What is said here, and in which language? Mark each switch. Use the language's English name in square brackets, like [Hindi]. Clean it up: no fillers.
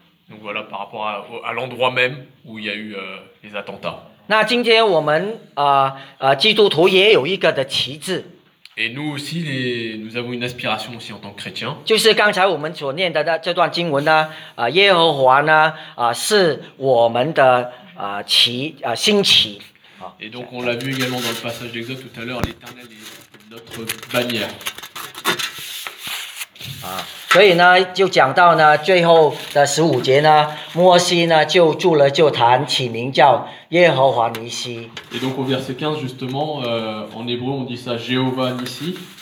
[French] Donc voilà, par rapport à l'endroit même où il y a eu les attentats. [Chinese] 那今天我们, 基督徒也有一个的旗帜, [French] et nous aussi, nous avons une aspiration aussi en tant que chrétien. [Chinese] 就是刚才我们所念的这段经文呢, 耶和华呢, 是我们的, 旗, 新旗, [French] et donc on l'a vu également dans le passage d'Exode tout à l'heure, l'Éternel est notre bannière. [Chinese] 所以呢，就讲到呢，最后的十五节呢，摩西呢就筑了旧坛，起名叫耶和华尼西。 [French] Et donc au verset 15 justement, en hébreu on dit ça, Jéhovah Nissi.